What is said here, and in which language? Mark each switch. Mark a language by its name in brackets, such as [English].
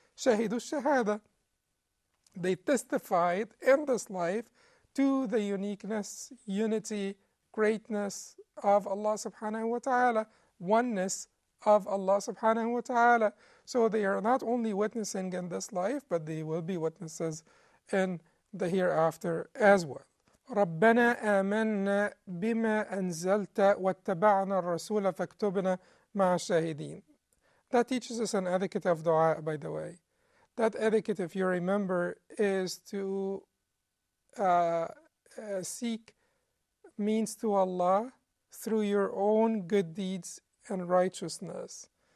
[English] Shahidu shahada. They testified in this life to the uniqueness, unity, greatness of Allah subhanahu wa ta'ala, oneness of Allah subhanahu wa ta'ala. So they are not only witnessing in this life, but they will be witnesses in the hereafter as well. [Arabic] ربنا آمنا بما أنزلت واتبعنا الرسول فاكتبنا مع الشاهدين. [English] That teaches us an etiquette of dua, by the way. That etiquette, if you remember, is to seek means to Allah through your own good deeds and righteousness.